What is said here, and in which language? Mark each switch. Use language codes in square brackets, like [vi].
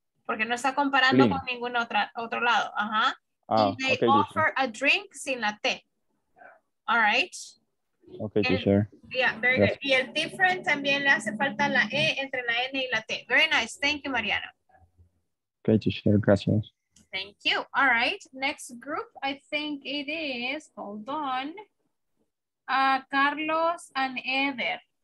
[es] Porque no está comparando clean. Con ningún otro lado, ajá. Ah, [en] they offer a drink [es] sin la T. [en] All right. Okay, teacher. Yeah, very good. [es] Y el different también le hace falta la E entre la N y la T. [en] Very nice. Thank you, Mariano. Okay, teacher. Gracias. Thank you. All right. Next group, I think it is, hold on, Carlos and Eder.